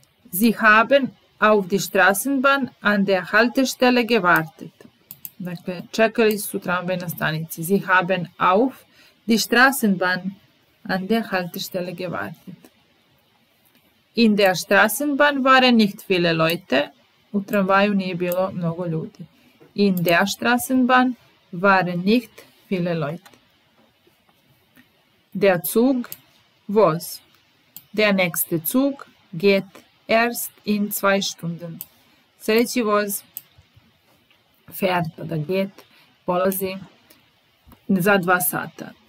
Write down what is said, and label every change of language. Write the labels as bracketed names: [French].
[German] Sie haben auf die Straßenbahn an der Haltestelle gewartet. [Serbian] Dakle, čekali su tramvaj na stanici. [German] Sie haben auf die Straßenbahn an der Haltestelle gewartet. In der Straßenbahn waren nicht viele Leute. [Serbian] U tramvaju nije bilo mnogo ljudi. [German] In der Straßenbahn waren nicht viele Leute. Der Zug, voz. Der nächste Zug geht erst in 2 Stunden. [Serbian] Sljedeći voz [German] fährt oder geht, [Serbian] polazi za 2 sata.